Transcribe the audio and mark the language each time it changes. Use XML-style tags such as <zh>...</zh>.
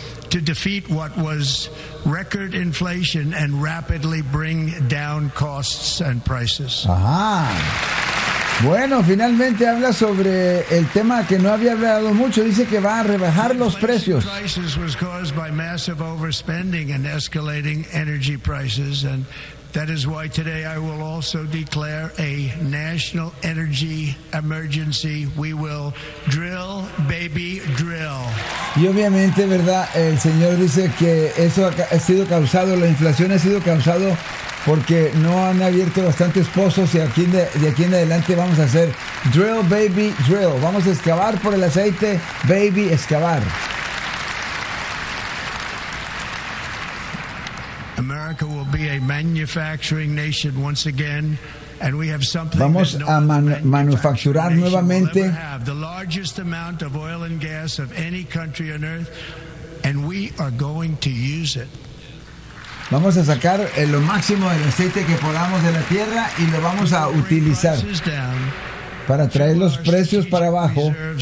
<en>To defeat what was record inflation and rapidly bring down costs and prices. Ajá.</en> <es>Bueno, finalmente habla sobre el tema que no había hablado mucho. Dice que va a rebajar los precios.</es> <en>The inflation crisis was caused by massive overspending and escalating energy prices, and that is why today I will also declare a national energy emergency. We will drill, baby, drill.</en> <es>Y obviamente, ¿verdad? El señor dice que eso ha sido causado, la inflación ha sido causado porque no han abierto bastantes pozos y aquí en adelante vamos a hacer</es> <en>drill, baby, drill.</en> <es>Vamos a excavar por el aceite, baby, excavar.</es> <en>America will be a manufacturing nation once again. And we have something</en> <es>vamos a manufacturar nuevamente.</es> <en>The largest amount of oil and gas of any country on earth, and we are going to use it.</en> <es>Vamos a sacar lo máximo del aceite que podamos de la tierra y lo vamos a utilizar para traer los precios para abajo.</es>